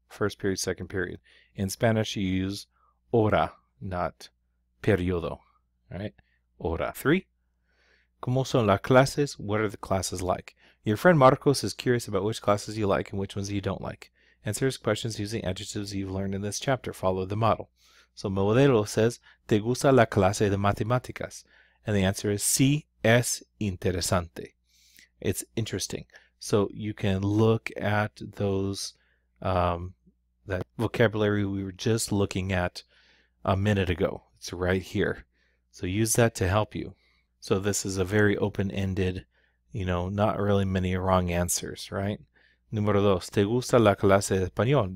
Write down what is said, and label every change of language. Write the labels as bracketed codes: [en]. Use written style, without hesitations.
[en] First period, second period. In Spanish, you use hora, not periodo. All right? Hora. Three. [es] ¿Cómo son las clases? [en] What are the classes like? Your friend Marcos is curious about which classes you like and which ones you don't like. Answer his questions using adjectives you've learned in this chapter. Follow the model. So Modelo says, ¿te gusta la clase de matemáticas? And the answer is, [es] sí, es interesante. [en] It's interesting. So you can look at those That vocabulary we were just looking at a minute ago. It's right here. So use that to help you. So this is a very open-ended, you know, not really many wrong answers, right? [es] Número dos, ¿te gusta la clase de español?